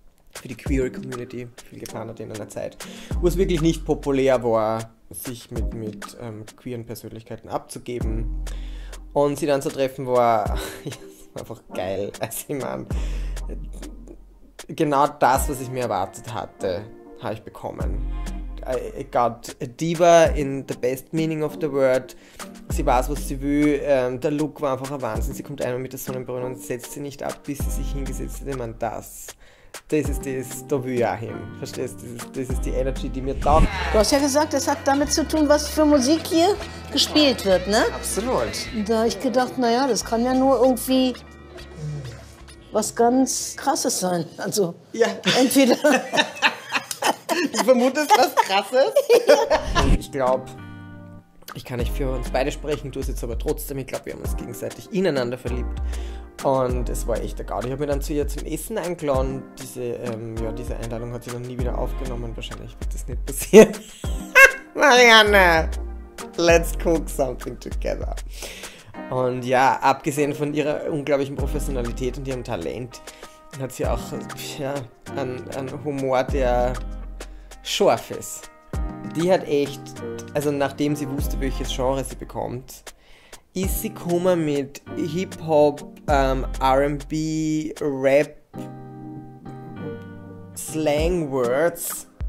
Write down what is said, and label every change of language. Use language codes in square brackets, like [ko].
[de] Für die Queer Community viel getan hat in einer Zeit, wo es wirklich nicht populär war, sich mit queeren Persönlichkeiten abzugeben. Und sie dann zu treffen war... einfach geil. Also ich meine, genau das, was ich mir erwartet hatte, habe ich bekommen. [en] I got a diva in the best meaning of the word. [de] Sie weiß, was sie will. Der Look war einfach ein Wahnsinn. Sie kommt einmal mit der Sonnenbrille und setzt sie nicht ab, bis sie sich hingesetzt hat. Ich meine, das ist das, da will ich auch hin. Verstehst du? Das ist die Energy, die mir taugt. Du hast ja gesagt, das hat damit zu tun, was für Musik hier gespielt wird, ne? Absolut. Da habe ich gedacht, naja, das kann ja nur irgendwie was ganz Krasses sein. Also, ja. Entweder... Du vermutest was Krasses? Ja. Ich glaube, ich kann nicht für uns beide sprechen, du sitzt aber trotzdem. Ich glaube, wir haben uns gegenseitig ineinander verliebt. Und es war echt der Gaudi. Ich habe mich dann zu ihr zum Essen eingeladen. Diese Einladung hat sie dann nie wieder aufgenommen. Wahrscheinlich wird das nicht passieren. [en] Marianne, let's cook something together. [de] Und ja, abgesehen von ihrer unglaublichen Professionalität und ihrem Talent, hat sie auch einen Humor, der scharf ist. Die hat echt, also nachdem sie wusste, welches Genre sie bekommt, ist sie gekommen mit Hip-Hop, R&B, Rap, Slang-Words,